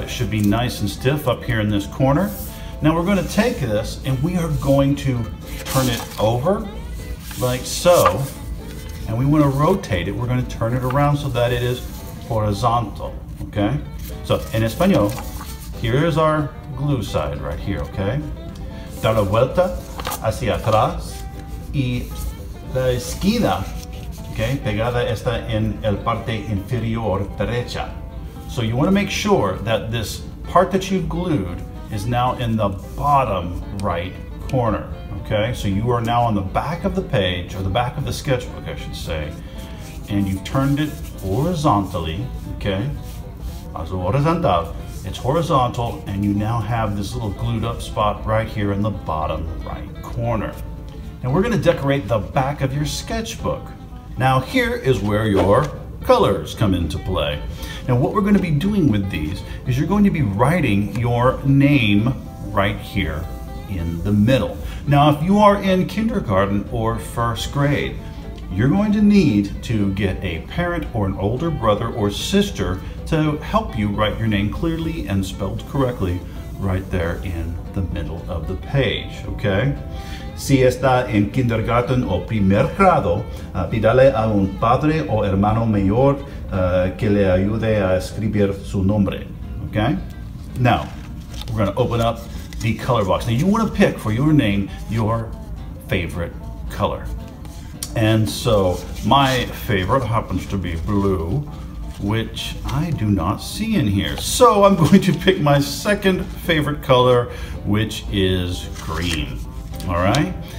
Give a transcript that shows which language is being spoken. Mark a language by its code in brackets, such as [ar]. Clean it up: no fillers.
[en] It should be nice and stiff up here in this corner. Now we're gonna take this and we are going to turn it over like so. And we wanna rotate it. We're gonna turn it around so that it is horizontal, okay? So in Espanol, here is our glue side right here, okay? [es] Dar la vuelta hacia atrás y la esquina, okay? Pegada está en el parte inferior derecha. [en] So you wanna make sure that this part that you've glued is now in the bottom right corner, okay? So you are now on the back of the page, or the back of the sketchbook, I should say, and you've turned it horizontally, okay? As horizontal. It's horizontal, and you now have this little glued up spot right here in the bottom right corner. And we're gonna decorate the back of your sketchbook. Now here is where your colors come into play. Now what we're gonna be doing with these is you're going to be writing your name right here in the middle. Now if you are in kindergarten or first grade, you're going to need to get a parent or an older brother or sister to help you write your name clearly and spelled correctly right there in the middle of the page, okay? [es] Si está en kindergarten o primer grado, pídale a un padre o hermano mayor que le ayude a escribir su nombre, okay? [en] Now, we're gonna open up the color box. Now you wanna pick for your name your favorite color. And so my favorite happens to be blue, which I do not see in here. So I'm going to pick my second favorite color, which is green, all right?